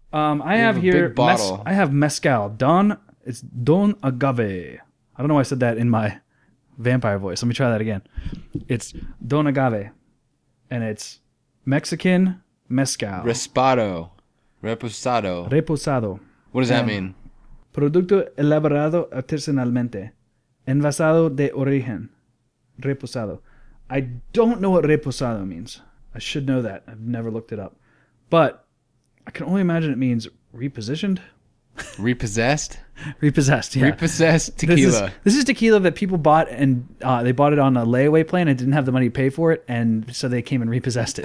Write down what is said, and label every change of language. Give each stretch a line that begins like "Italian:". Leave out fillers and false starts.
English: I have mezcal. It's Don Agave. I don't know why I said that in my vampire voice. Let me try that again. It's Don Agave, and it's Mexican mezcal. Reposado. What does that mean?
Spanish: Producto elaborado artesanalmente, envasado de origen, reposado.
English: I don't know what reposado means. I should know that. I've never looked it up. But I can only imagine it means repositioned. Repossessed? Repossessed, yeah. Repossessed tequila. This is tequila that people bought, and they bought it on a layaway plane and didn't have the money to pay for it, and so they came and repossessed it.